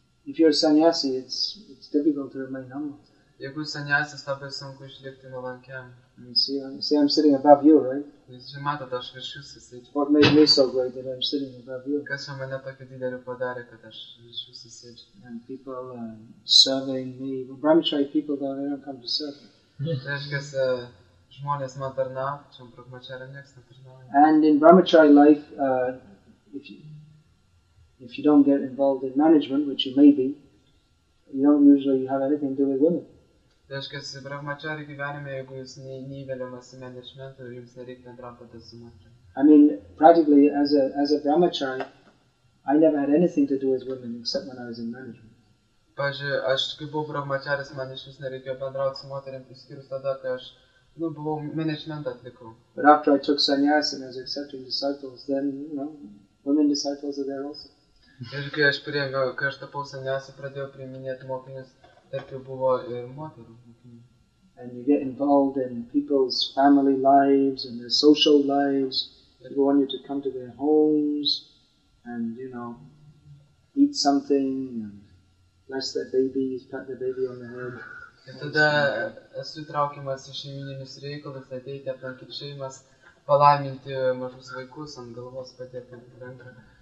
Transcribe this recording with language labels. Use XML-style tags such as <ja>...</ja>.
<en>If you're a sannyasi, it's difficult to remain humble.</en> <lt>Jeigu sannyasis, labai sunku išlikti nuolankiam.</lt> <en>You see, I'm sitting above you, right?</en> <lt>Jūs matote, aš virš jūsų sėdžiu.</lt> <en>What made me so great that I'm sitting above you?</en> <lt>Kas jau mane tokį didelį padarė, kad aš virš jūsų sėdžiu?</lt> <en>And people serving me. Brahmachari people, though, they don't come to serve me.</en> <lt>Reiškas, žmonės man tarnavo, čia brahmachari niekas netarnavo.</lt> <en>And in brahmachari life, if you don't get involved in management, which you may be, you don't usually have anything to do with women.</en> <lt>Reiškia, su brahmachari gyvenime, jeigu jūs neįveliamas į managementą, jums nereikia bendrauti su moterimi.</lt> <en>I mean, practically, as a brahmachari, I never had anything to do with women, except when I was in management.</en> <lt>Pavyzdžiui, aš kaip buvau brahmacharis, man iš vis nereikėjo bendrauti su moterimi, išskyrus tada, kai aš, buvau managementą atlikau.</lt> <en>But after I took sannyas and I was accepting disciples, then, women disciples are there also.</en> <lt>Ir kai aš priėmiau, kai aš tapau sannyas, pradėjau priiminėti mokinius, tarp jau buvo ir moterų.</lt> <en>And you get involved in people's family lives and their social lives. People want you to come to their homes and, eat something and bless their babies, pat their baby on the head.</en> <lt>Ir tada esu įtraukiamas į šeiminius reikalus, ateiti aplankyti šeimas, palaiminti mažus vaikus ant galvos padėti ant ranką.</lt>